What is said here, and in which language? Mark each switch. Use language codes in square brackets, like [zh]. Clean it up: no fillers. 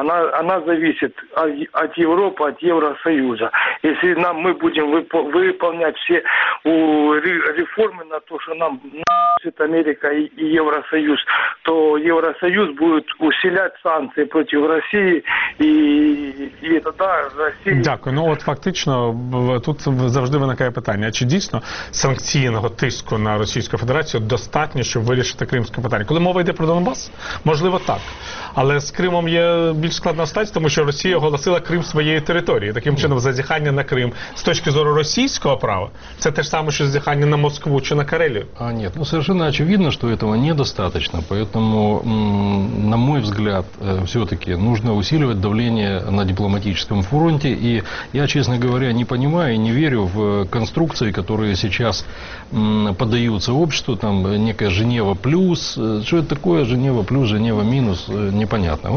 [ru] Она зависит от Европы, от Евросоюза. Если мы будем выполнять все реформы на то, что нам нужна Америка и Евросоюз, то Евросоюз будет усилять санкции против России, и тогда Россия... [uk] Дякую. Фактично, тут завжди виникає питання, чи дійсно санкційного тиску на Російську Федерацію достатньо, щоб вирішити кримське питання? Коли мова йде про Донбас, можливо так. Але з Кримом є більш складна ситуація, тому що Росія оголосила Крим своєю територією. Таким чином, зазіхання на Крим з точки зору російського права, це те ж саме, що зазіхання на Москву чи на Карелію. А ні, ну [ru] совершенно очевидно, [uk] що цього недостатньо. [ru] Поэтому, на мой взгляд, все-таки нужно усиливать давление на дипломатическом фронте. И я, честно говоря, не понимаю и не верю в конструкции, которые сейчас подаются обществу. Там некая Женева плюс. Что это такое Женева плюс, Женева минус? Непонятно.